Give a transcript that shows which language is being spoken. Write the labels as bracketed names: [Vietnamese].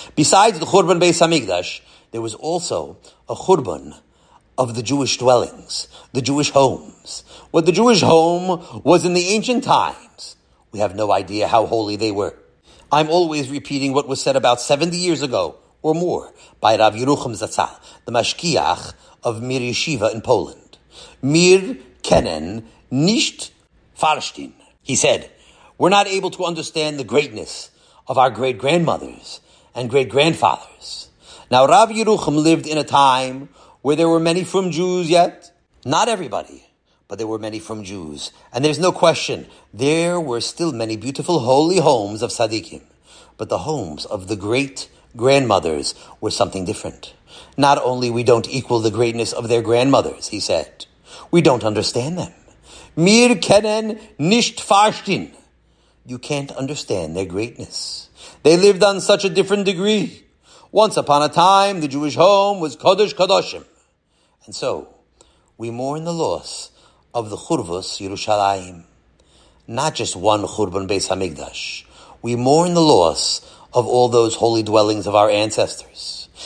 [English] Besides the Churban Beis HaMikdash, there was also a Churban of the Jewish dwellings, the Jewish homes. What the Jewish home was in the ancient times, we have no idea how holy they were. I'm always repeating what was said about 70 years ago, or more, by Rav Yeruchim Zatzal, the Mashkiach of Mir Yeshiva in Poland. [Yiddish] Mir Kenen nicht Farshtin. [English] He said, we're not able to understand the greatness of our great-grandmothers and great-grandfathers. Now, Rav Yeruchim lived in a time where there were many frum Jews yet. Not everybody, but there were many frum Jews. And there's no question, there were still many beautiful holy homes of Sadiqim. But the homes of the great-grandmothers were something different. Not only we don't equal the greatness of their grandmothers, he said, we don't understand them. [Yiddish] Mir kennen nicht Farshtin. [English] You can't understand their greatness. They lived on such a different degree. Once upon a time, the Jewish home was Kodesh Kodoshim. And so, we mourn the loss of the Churvos Yerushalayim. Not just one Churban Beis HaMikdash. We mourn the loss of all those holy dwellings of our ancestors.